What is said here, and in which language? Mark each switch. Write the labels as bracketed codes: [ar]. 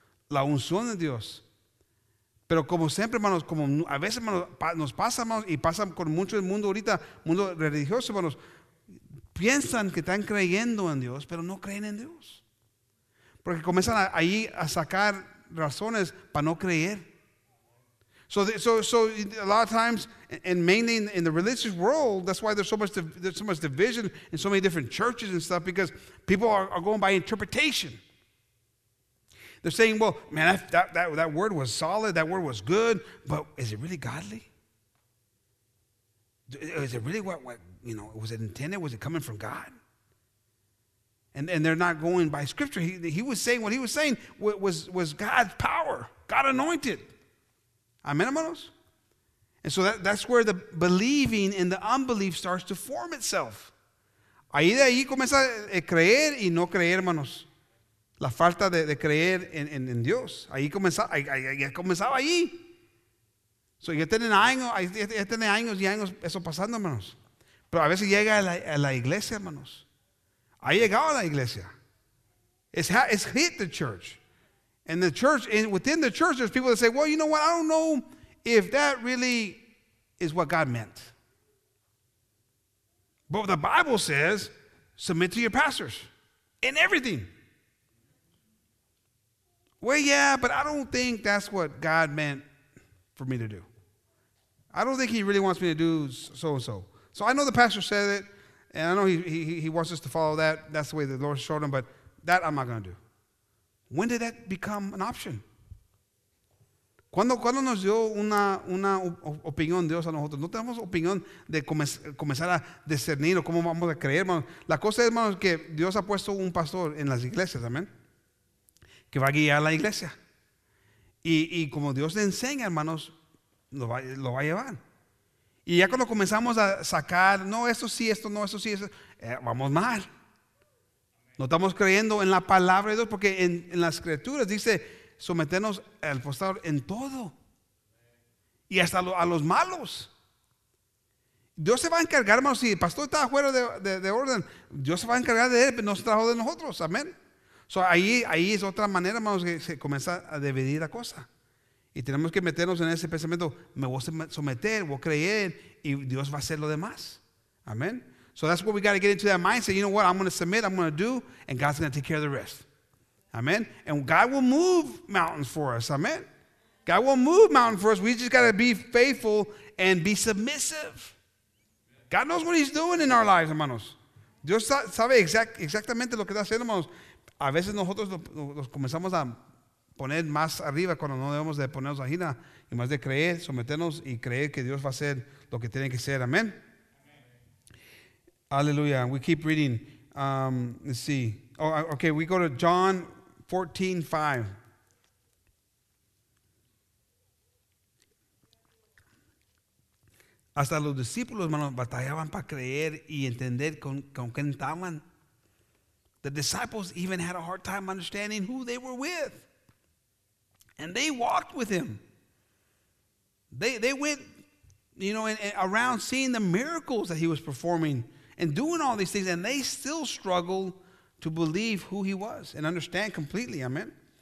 [es] La unción de Dios. Pero como siempre, hermanos, como a veces, hermanos, nos pasa, hermanos, y pasa con mucho el mundo ahorita, mundo religioso, hermanos, piensan que están creyendo en Dios, pero no creen en Dios. Porque comienzan ahí a sacar razones para no creer. [en] So a lot of times, and mainly in the religious world, that's why there's so much division in so many different churches and stuff, because people are going by interpretation. They're saying, well, man, that word was solid, that word was good, but is it really godly? Is it really what you know, was it intended? Was it coming from God? And they're not going by scripture. He was saying what he was saying was God's power, God anointed. Amen, [es] hermanos? [en] And so that's where the believing and the unbelief starts to form itself. [es] Ahí de ahí comienza a creer y no creer, hermanos. La falta de creer en Dios. Ahí comenzaba ahí. [en] So [es] ya tienen años y años eso pasando, hermanos. Pero a veces llega a la iglesia, hermanos. Ha llegado a la iglesia. [en] It's hit the church. And the church, and within the church, there's people that say, well, you know what? I don't know if that really is what God meant. But the Bible says, submit to your pastors in everything. Well, yeah, but I don't think that's what God meant for me to do. I don't think he really wants me to do so-and-so. So I know the pastor said it, and I know he wants us to follow that. That's the way the Lord showed him, but that I'm not going to do. When did that become an option? [es] ¿Cuándo nos dio una opinión Dios a nosotros? No tenemos opinión de comenzar a discernir o cómo vamos a creer, hermanos. La cosa es, hermanos, que Dios ha puesto un pastor en las iglesias, amén, que va a guiar a la iglesia. Y como Dios le enseña, hermanos, lo va a llevar. Y ya cuando comenzamos a sacar, no, esto sí, esto no, esto sí, esto, vamos mal. No estamos creyendo en la palabra de Dios, porque en las escrituras dice someternos al pastor en todo. Y hasta a los malos. Dios se va a encargar, hermanos, si el pastor está fuera de orden, Dios se va a encargar de él, pero no se trajo de nosotros. Amén. [en] So, [es] ahí es otra manera, hermanos, que se comienza a dividir la cosa. Y tenemos que meternos en ese pensamiento, me voy a someter, voy a creer, y Dios va a hacer lo demás. Amén. [en] So that's what we got to get into, that mindset. You know what? I'm going to submit. I'm going to do. And God's going to take care of the rest. Amen. And God will move mountains for us. Amen. God will move mountains for us. We just got to be faithful and be submissive. God knows what he's doing in our lives, [es] hermanos. Dios sabe exactamente lo que está haciendo, hermanos. A veces nosotros nos comenzamos a poner más arriba cuando no debemos de ponernos a gira. Y más de creer, someternos y creer que Dios va a hacer lo que tiene que ser. [en] Amen. Hallelujah. We keep reading. Let's see. Oh, okay, we go to John 14:5. [es] Hasta los discípulos, hermanos, batallaban para creer y entender con quién estaban. [en] The disciples even had a hard time understanding who they were with. And they walked with him. They went, you know, and around seeing the miracles that he was performing. And doing all these things, and they still struggle to believe who he was and understand completely. Amen.